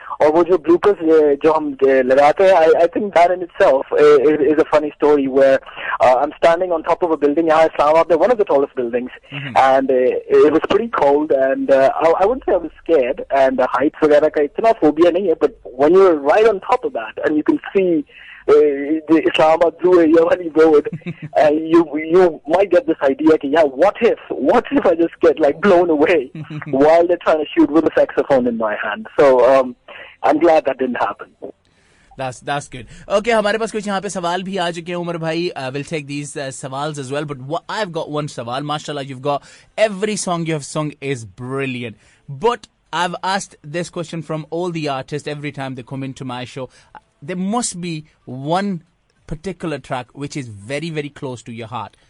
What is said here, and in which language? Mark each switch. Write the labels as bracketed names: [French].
[Hindi] Aur wo jo bloopers jo hum lagate hai, [English] I think that in itself is a funny story, where I'm standing on top of a building in Islamabad, one of the tallest buildings, and it was pretty cold, and I wouldn't say I was scared, and the heights [Hindi] wagera ka itna phobia nahi hai, [English] but when you're right on top of that and you can see the Islamabad Zoo, Yamani Road, and you might get this idea that, yeah, what if I just get like blown away while they're trying to shoot with a saxophone in my hand. So I'm glad that didn't happen. That's good. [Hindi] Okay, हमारे पास कुछ यहाँ पे सवाल भी आ चुके हैं उमर भाई. [English] We'll take these सवाल्स as well. But I've got one सवाल. Mashallah, you've got every song you have sung is brilliant. But I've asked this question from all the artists every time they come into my show. There must be one particular track which is very, very close to your heart.